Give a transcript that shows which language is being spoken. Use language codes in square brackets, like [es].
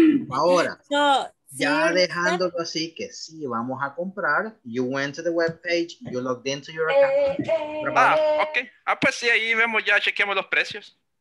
[es] Ahora, ya dejándolo así, que sí, vamos a comprar. [en] You went to the webpage, you logged into your account. Ah, ok. [es] Ah, pues sí, ahí vemos, ya chequeamos los precios.